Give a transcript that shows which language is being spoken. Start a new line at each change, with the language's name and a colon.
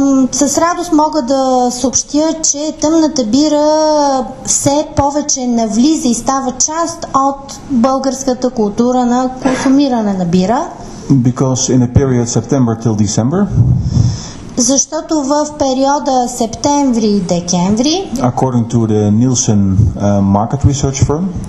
Bulgarian: С радост мога да съобщя, че тъмната бира все повече навлиза и става част от българската култура на консумиране на бира.
English: Because in a period September till December.
Bulgarian: Защото в периода септември-декември,
English: according to the Nielsen market research firm,